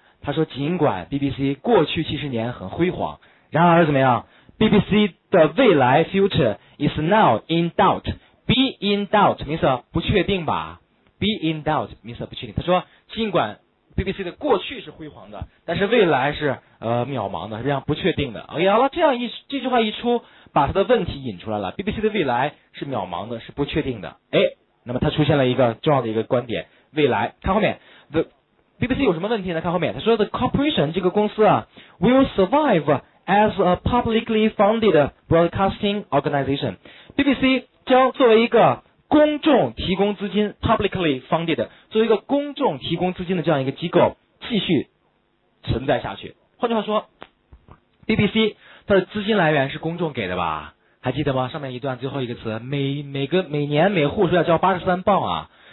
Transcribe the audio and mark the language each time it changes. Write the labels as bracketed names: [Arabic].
[Chinese] 他说尽管 BBC 过去70年很辉煌，然而怎么样， BBC 的未来 [English] future is now in doubt, be in doubt means [Chinese] 不确定吧， [English] be in doubt means [Chinese] 不确定。他说尽管 BBC 的过去是辉煌的，但是未来是渺茫的，这样不确定的。哎呀，这样这句话一出，把他的问题引出来了， BBC 的未来是渺茫的，是不确定的。哎，那么他出现了一个重要的一个观点，未来，看后面 ，the BBC 有什么问题呢？看后面，他说 [English] the corporation [Chinese] 这个公司啊 ， [English] will survive as a publicly funded broadcasting organization。 [Chinese] BBC 将作为一个公众提供资金 [English] publicly funded, [Chinese] 作为一个公众提供资金的这样一个机构继续存在下去。换句话说 ，BBC 它的资金来源是公众给的吧？还记得吗？上面一段最后一个词，每年每户是要交83镑啊。